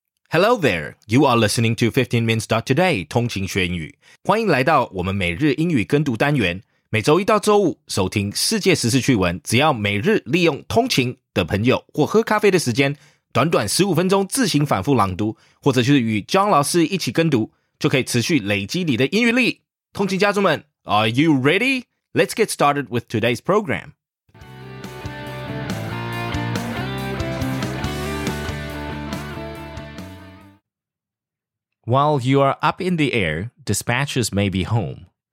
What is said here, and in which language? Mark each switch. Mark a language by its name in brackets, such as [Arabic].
[English] Hello there, you are listening to 15minutes.today, [Chinese] 通勤学英语。欢迎来到我们每日英语跟读单元，每周一到周五收听世界时事趣闻，只要每日利用通勤的朋友或喝咖啡的时间，短短15分钟自行反复朗读，或者就是与 John 老师一起跟读，就可以持续累积你的英语力。通勤家族们， [English] Are you ready? Let's get started with today's program. While you are up in the air, dispatches may be home.